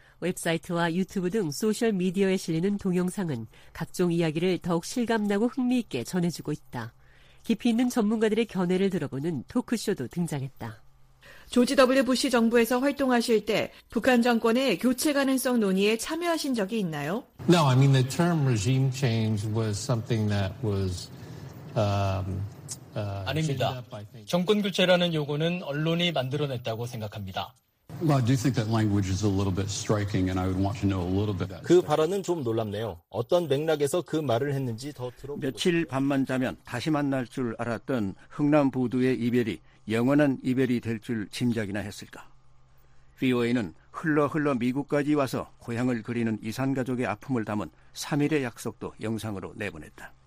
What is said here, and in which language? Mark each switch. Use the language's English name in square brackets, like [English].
[Korean] 웹사이트와 유튜브 등 소셜미디어에 실리는 동영상은 각종 이야기를 더욱 실감나고 흥미있게 전해주고 있다. 깊이 있는 전문가들의 견해를 들어보는 토크쇼도 등장했다. 조지 W. 부시 정부에서 활동하실 때 북한 정권의 교체 가능성 논의에 참여하신 적이 있나요? [English] No, I mean the term regime change was something that was [Korean] 아닙니다. 정권 교체라는 요구는 언론이 만들어냈다고 생각합니다. [English] Well, I do think that language is a little bit striking and I would want to know a little bit. [Korean] 그 발언은 좀 놀랍네요. 어떤 맥락에서 그 말을 했는지 더 들어보고 며칠 밤만 자면 다시 만날 줄 알았던 흥남 부두의 이별이 영원한 이별이 될 줄 짐작이나 했을까. VOA는 흘러흘러 미국까지 와서 고향을 그리는 이산가족의 아픔을 담은 3일의 약속도 영상으로 내보냈다.